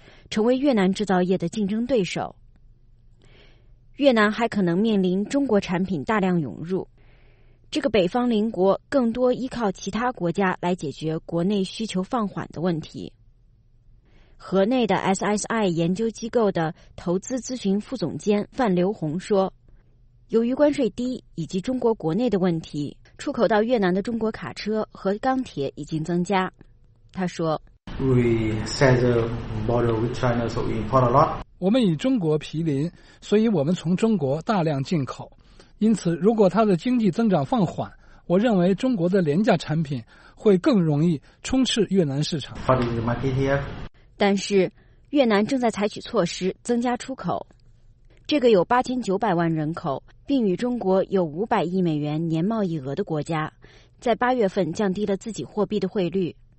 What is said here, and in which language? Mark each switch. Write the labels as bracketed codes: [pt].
[zh] 成为越南制造业的竞争对手。越南还可能面临中国产品大量涌入，这个北方邻国更多依靠其他国家来解决国内需求放缓的问题。河内的 SSI 研究机构的投资咨询副总监范刘红说，由于关税低以及中国国内的问题，出口到越南的中国卡车和钢铁已经增加。他说 [en] We set the border with China, so we import a lot. [zh] 我们与中国毗邻，所以我们从中国大量进口，因此如果它的经济增长放缓，我认为中国的廉价产品会更容易充斥越南市场。但是越南正在采取措施增加出口，这个有8900万人口并与中国有500亿美元年贸易额的国家，在八月份降低了自己货币的汇率。